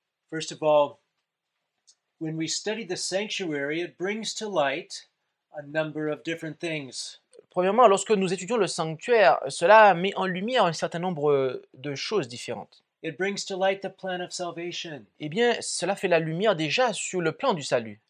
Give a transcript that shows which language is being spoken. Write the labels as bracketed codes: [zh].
[en] First of all, when we study the sanctuary, it brings to light a number of different things. [fr] Premièrement, lorsque nous étudions le sanctuaire, cela met en lumière un certain nombre de choses différentes. [en] It brings to light the plan of salvation. [fr] Eh bien, cela fait la lumière déjà sur le plan du salut.